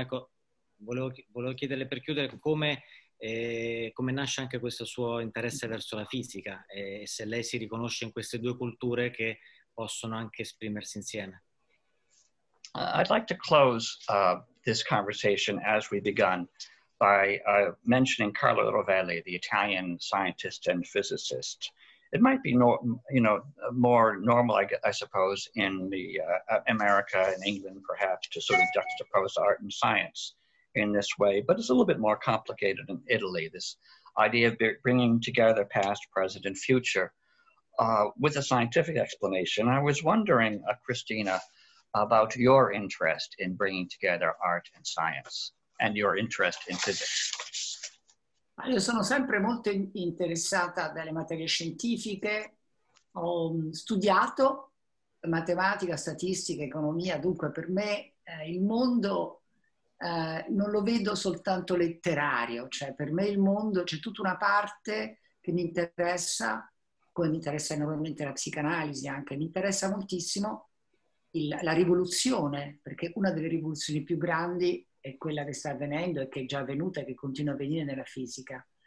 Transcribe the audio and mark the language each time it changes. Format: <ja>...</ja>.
<it>Ecco, volevo chiederle per chiudere come nasce anche questo suo interesse verso la fisica e se lei si riconosce in queste due culture che possono anche esprimersi insieme.</it> <en>I'd like to close this conversation as we began, by mentioning Carlo Rovelli, the Italian scientist and physicist. It might be more normal, I suppose, in the America and England, perhaps, to sort of juxtapose art and science in this way, but it's a little bit more complicated in Italy, this idea of bringing together past, present, and future with a scientific explanation. I was wondering, Cristina, about your interest in bringing together art and science. And your interest in physics.</en> <it>Ma io sono sempre molto interessata dalle materie scientifiche. Ho studiato matematica, statistica, economia, dunque per me il mondo non lo vedo soltanto letterario, cioè per me il mondo c'è tutta una parte che mi interessa, come mi interessa enormemente la psicanalisi anche, mi interessa moltissimo la rivoluzione, perché una delle rivoluzioni più grandi è quella che sta avvenendo e che è già avvenuta e che continua a avvenire nella fisica.</it>